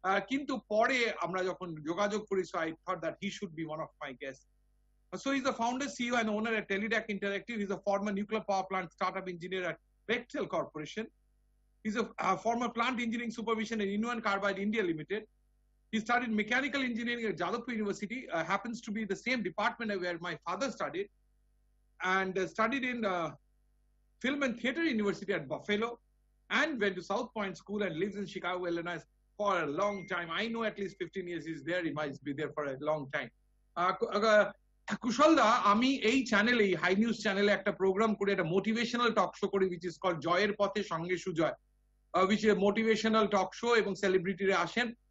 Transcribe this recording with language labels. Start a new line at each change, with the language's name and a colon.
Bangla: কিন্তু পরে আমরা যখন যোগাযোগ করি,
English: So I thought that he should be one of my guest. So is the founder, CEO and owner at Teledac Interactive. Is the former nuclear power plant startup engineer at Bechtel Corporation. He's a former plant engineering supervision at Inuan Carbide India Limited. He studied mechanical engineering at Jadavpur University, happens to be the same department where my father studied, and studied in film and theater university at Buffalo, and went to South Point School and lives in Chicago, Illinois for a long time. I know at least 15 years he's there. He might be there for a long time.
Bangla: Kushalda, আমি এই চ্যানেলে, এই high news চ্যানেলে একটা programme করে, একটা motivational talk show করি,
English: which is called
Bangla: জয়ের পথে সঙ্গে Sujoy,
English: which is motivational talk show,
Bangla: এবং সেলিব্রিটিরা আসেন।